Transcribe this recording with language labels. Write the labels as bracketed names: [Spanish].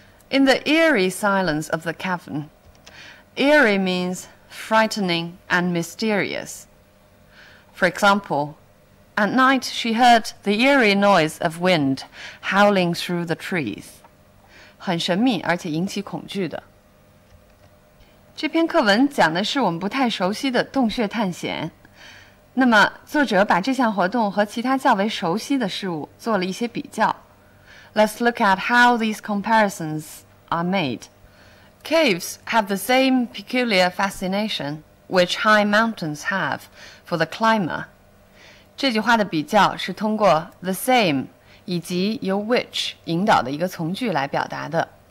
[English] In the eerie silence of the cavern,Eerie means frightening and mysterious. For example, at night she heard the eerie noise of wind howling through the trees. [Chinese] 很神秘而且引起恐惧的。这篇课文讲的是我们不太熟悉的洞穴探险。那么作者把这项活动和其他较为熟悉的事物做了一些比较。 [English] Let's look at how these comparisons are made. Caves have the same peculiar fascination which high mountains have for the climber. [Chinese] 这句话的比较是通过 the same 以及由 which 引导的一个从句来表达的。